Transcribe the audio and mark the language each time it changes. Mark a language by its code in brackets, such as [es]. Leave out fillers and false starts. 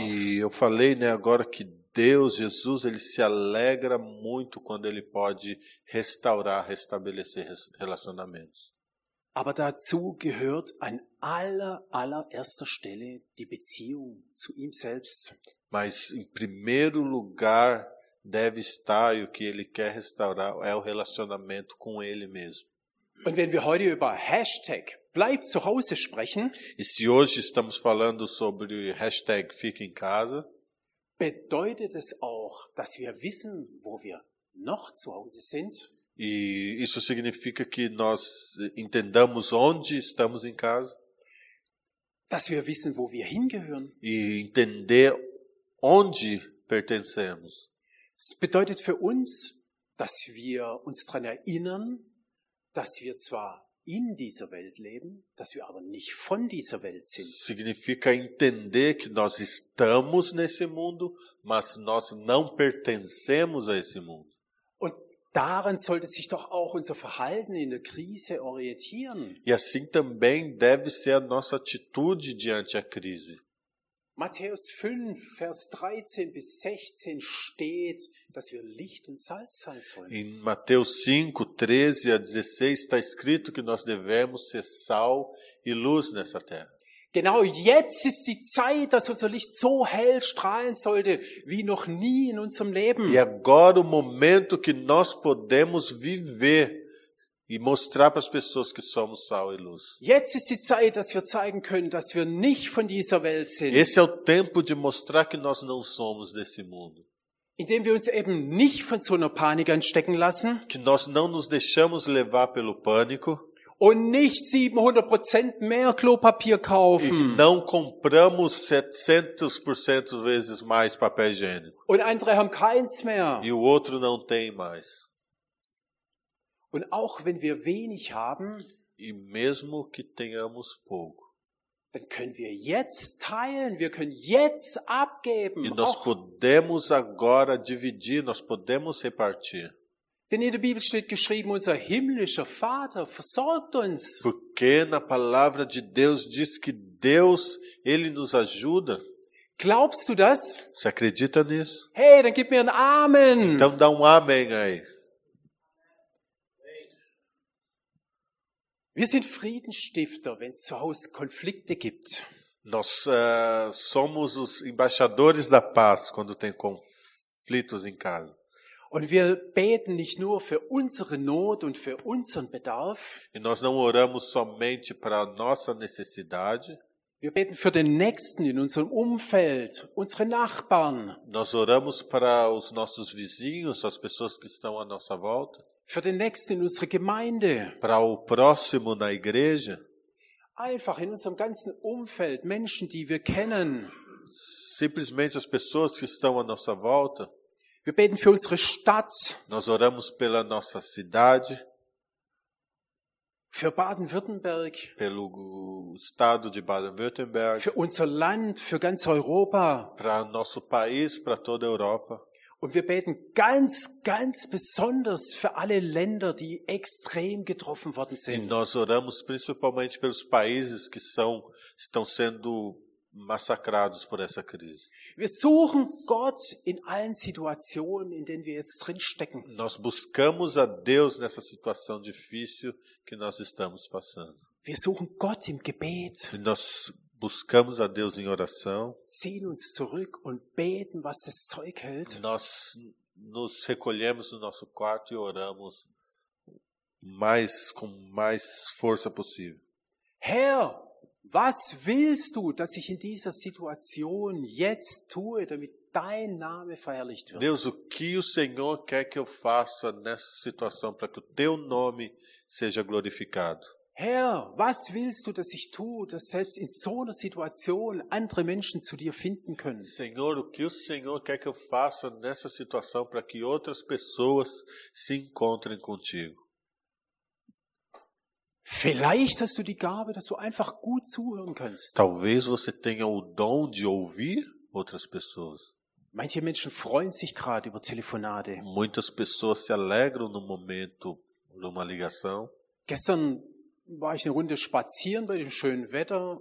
[pt] E eu falei, né, agora que Deus, Jesus, ele se alegra muito quando ele pode restaurar, restabelecer relacionamentos. [de] Aber dazu gehört an allererster Stelle die Beziehung zu ihm selbst. [pt] Mas em primeiro lugar deve estar, e o que ele quer restaurar é o relacionamento com ele mesmo. [de] Und wenn wir heute über Hashtag bleib zu Hause sprechen, [pt] e se hoje estamos falando sobre Hashtag fique em casa, [de] bedeutet es auch, dass wir wissen, wo wir noch zu Hause sind. [pt] E isso significa que nós entendamos onde estamos em casa. [de] Dass wir wissen, wo wir hingehören. [pt] E entender onde pertencemos. [de] Es bedeutet für uns, dass wir uns daran erinnern, dass wir zwar in dieser Welt leben, dass wir aber nicht von dieser Welt sind. [pt] Significa entender que nós estamos nesse mundo, mas nós não pertencemos a esse mundo. [de] Und Daran sollte sich doch auch unser Verhalten in der Krise orientieren. [pt] E assim também deve ser a nossa atitude diante da crise. [de] Matthäus 5, Vers 13 bis 16 steht, dass wir Licht und Salz sein sollen. [pt] Em Mateus 5, 13 a 16 está escrito que nós devemos ser sal e luz nessa terra. [de] Genau jetzt ist die Zeit, dass unser Licht so hell strahlen sollte, wie noch nie in unserem Leben. [pt] E agora o momento que nós podemos viver e mostrar para as pessoas que somos sal e luz. [de] Jetzt ist die Zeit, dass wir zeigen können, dass wir nicht von dieser Welt sind. [pt] Esse é o tempo de mostrar que nós não somos desse mundo. [de] Indem wir uns eben nicht von so einer Panik anstecken lassen. [pt] Que nós não nos deixamos levar pelo pânico. [de] Und nicht 700% mehr Klopapier kaufen. [pt] E não compramos 700% vezes mais papel higiênico. [de] Und andere haben keins mehr. [pt] E o outro não tem mais. [de] Und auch wenn wir wenig haben, [pt] e mesmo que tenhamos pouco, [de] dann können wir jetzt teilen, wir können jetzt abgeben. [pt] E nós podemos agora dividir, nós podemos repartir. [de] Denn in der Bibel steht geschrieben, unser himmlischer Vater versorgt uns. [pt] Porque na palavra de Deus diz que Deus, ele nos ajuda. [de] Glaubst du das? [pt] Você acredita nisso? [de] Hey, dann gib mir ein Amen. [pt] Então dá Amen aí. [de] Wir sind Friedensstifter, wenn es zu Hause Konflikte gibt. [pt] Nós somos os embaixadores da paz quando tem conflitos em casa. [de] Und wir beten nicht nur für unsere Not und für unseren Bedarf. [pt] E nós não oramos somente para a nossa necessidade. [de] Wir beten für den Nächsten in unserem Umfeld, unsere Nachbarn. [pt] Nós oramos para os nossos vizinhos, as pessoas que estão à nossa volta. [de] Für den Nächsten in unserer Gemeinde. [pt] Para o próximo na igreja. [de] Einfach in unserem ganzen Umfeld, Menschen, die wir kennen. [pt] Simplesmente as pessoas que estão à nossa volta. [de] Wir beten für unsere Stadt. [pt] Nós oramos pela nossa cidade. [de] Für Baden-Württemberg. [pt] Pelo estado de Baden-Württemberg. [de] Für unser Land, für ganz Europa. [pt] Para nosso país, para toda a Europa. [de] Und wir beten ganz, ganz besonders für alle Länder, die extrem getroffen worden sind. [pt] E nós oramos principalmente pelos países que estão sendo massacrados por essa crise. [de] Wir suchen Gott in allen Situationen, in denen wir jetzt drin stecken. [pt] Nós buscamos a Deus nessa situação difícil que nós estamos passando. [de] Wir suchen Gott im Gebet. [pt] Nós buscamos a Deus em oração. [de] Ziehen uns zurück und beten, was das Zeug hält. [pt] Nós nos recolhemos no nosso quarto e oramos mais com mais força possível. [de] Herr, was willst du, dass ich in dieser Situation jetzt tue, damit dein Name verherrlicht wird? [pt] Deus, o que o Senhor quer que eu faça nessa situação para que o teu nome seja glorificado? [de] Herr, was willst du, dass ich tue, dass selbst in so einer Situation andere Menschen zu dir finden können? [pt] Senhor, o que o Senhor quer que eu faça nessa situação para que outras pessoas se encontrem contigo? [de] Vielleicht hast du die Gabe, dass du einfach gut zuhören kannst. [pt] Talvez você tenha o dom de ouvir outras pessoas. [de] Manche Menschen freuen sich gerade über Telefonate. [pt] Muitas pessoas se alegram no momento de uma ligação. [de] Gestern war ich eine Runde spazieren bei dem schönen Wetter.